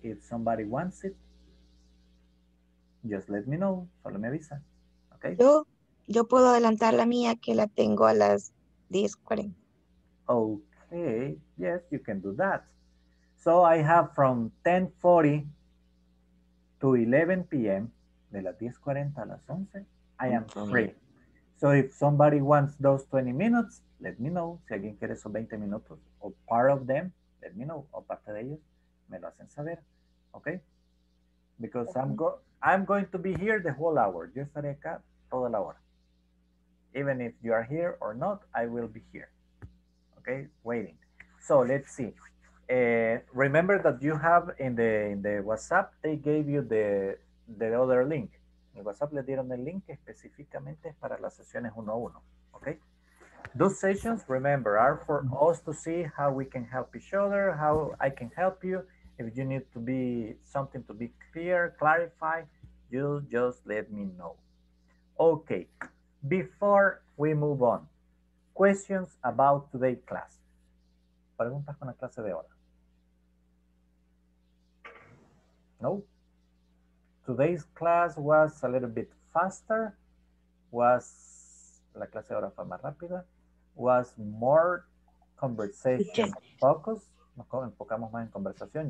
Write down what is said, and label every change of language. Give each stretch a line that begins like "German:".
English: If somebody wants it, just let me know.
Spanish: Solo me avisa. Okay. Yo puedo adelantar la mía que la tengo a las 10:40.
English: Okay. Yes, you can do that. So I have from 10:40 to 11 p.m.
Spanish: de las 10:40 a las 11.
English: I am free. So if somebody wants those 20 minutes, let me know.
Spanish: Si alguien quiere esos 20 minutos o
English: part of them, let me know.
Spanish: O parte de ellos, me lo hacen saber. Okay?
English: Because I'm going to be here the whole hour.
Spanish: Yo estaré acá toda la hora.
English: Even if you are here or not, I will be here. Okay? Waiting. So let's see. Remember that you have in the WhatsApp, they gave you the other link.
Spanish: En el WhatsApp le dieron el link específicamente para las sesiones 1-1, okay?
English: Those sessions, remember, are for us to see how we can help each other, how I can help you. If you need to be something to be clear, clarify, you just let me know. Okay, before we move on, questions about today's class.
Spanish: Preguntas con la clase de hora.
English: No, today's class was a little bit faster, was,
Spanish: la clase ahora fue más rápida,
English: was more conversation focused,
Spanish: nos enfocamos más en conversación.